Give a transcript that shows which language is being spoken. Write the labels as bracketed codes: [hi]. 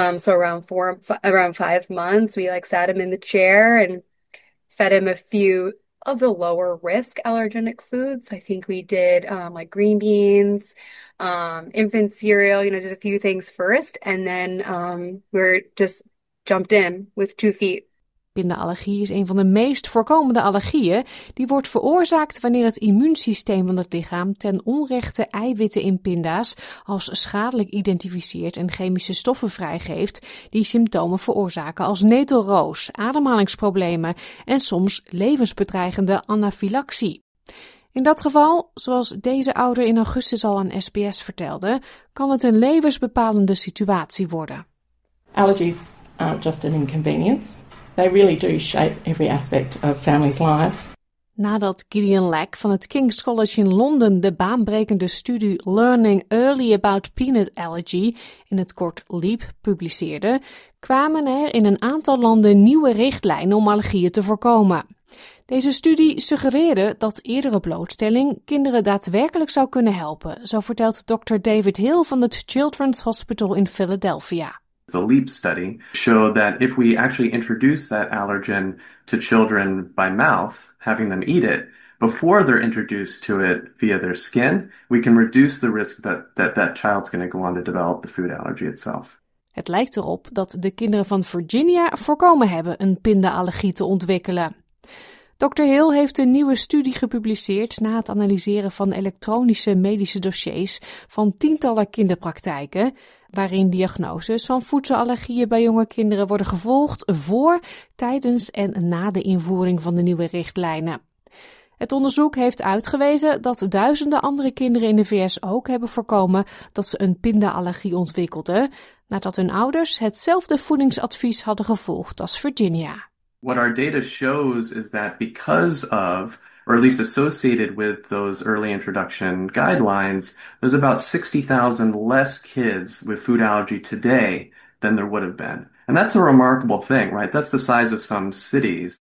[en] So around five months, we like sat him in the chair and fed him a few of the lower risk allergenic foods. I think we did like green beans, infant cereal, you know, did a few things first. And then we're just jumped in with 2 feet. [nl] Pinda-allergie is een van de meest voorkomende allergieën. Die wordt veroorzaakt wanneer het immuunsysteem van het lichaam ten onrechte eiwitten in pinda's als schadelijk identificeert en chemische stoffen vrijgeeft die symptomen veroorzaken als netelroos, ademhalingsproblemen en soms levensbedreigende anafylaxie. In dat geval, zoals deze ouder in augustus al aan SBS vertelde, kan het een levensbepalende situatie worden. [en] Allergies aren't just an inconvenience. They really do shape every aspect of families' lives. [nl] Nadat Gideon Lack van het King's College in Londen de baanbrekende studie Learning Early About Peanut Allergy, in het kort LEAP, publiceerde, kwamen er in een aantal landen nieuwe richtlijnen om allergieën te voorkomen. Deze studie suggereerde dat eerdere blootstelling kinderen daadwerkelijk zou kunnen helpen, zo vertelt Dr. David Hill van het Children's Hospital in Philadelphia. [en] The LEAP study showed that if we actually introduce that allergen to children by mouth, having them eat it, before they're introduced to it via their skin, we can reduce the risk that child's going to go on to develop the food allergy itself. [nl] Het lijkt erop dat de kinderen van Virginia voorkomen hebben een pinda-allergie te ontwikkelen. Dr. Hill heeft een nieuwe studie gepubliceerd na het analyseren van elektronische medische dossiers van tientallen kinderpraktijken, waarin diagnoses van voedselallergieën bij jonge kinderen worden gevolgd voor, tijdens en na de invoering van de nieuwe richtlijnen. Het onderzoek heeft uitgewezen dat duizenden andere kinderen in de VS ook hebben voorkomen dat ze een pinda-allergie ontwikkelden, nadat hun ouders hetzelfde voedingsadvies hadden gevolgd als Virginia. [en] What our data shows is that because of, or at least associated with, those early introduction guidelines, there's about 60,000 less kids with food allergy today than there would have been. And that's a remarkable thing, right? That's the size of some cities.